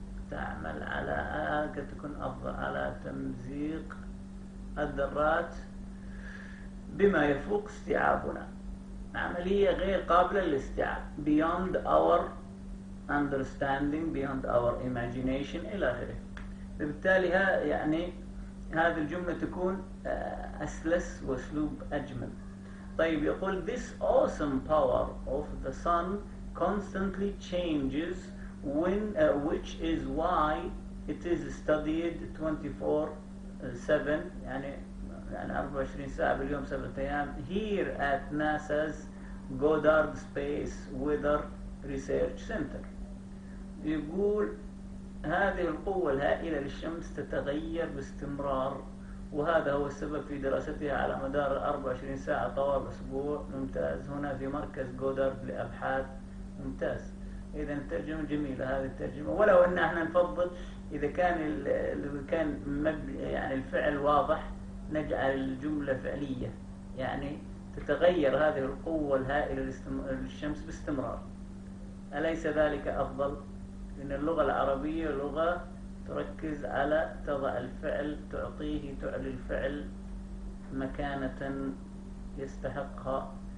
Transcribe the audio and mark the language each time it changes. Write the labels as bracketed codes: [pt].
[ar] تعمل على قد تكون أفضل، على تمزيق الذرات بما يفوق استيعابنا، عملية غير قابلة للاستيعاب، [en] beyond our understanding، beyond our imagination، [ar] إلى آخره. بالتالي ها يعني هذه الجملة تكون أسلس وأسلوب أجمل. طيب يقول [en] this awesome power of the sun constantly changes when which is why it is studied 24/7، [ar] يعني 24 ساعة باليوم 7 أيام، [en] here at NASA's Goddard Space Weather Research Center. [ar] يقول هذه القوة الهائلة للشمس تتغير باستمرار، وهذا هو السبب في دراستها على مدار 24 ساعة طوال أسبوع. ممتاز، هنا في مركز جودارد لأبحاث. ممتاز، إذا الترجمة جميلة، هذه الترجمة. ولو أن احنا نفضل إذا كان يعني الفعل واضح نجعل الجملة فعلية، يعني تتغير هذه القوة الهائلة للشمس باستمرار، أليس ذلك أفضل؟ لأن اللغة العربية لغة تركز على تضع الفعل، تعطيه، تعلي الفعل مكانة يستحقها.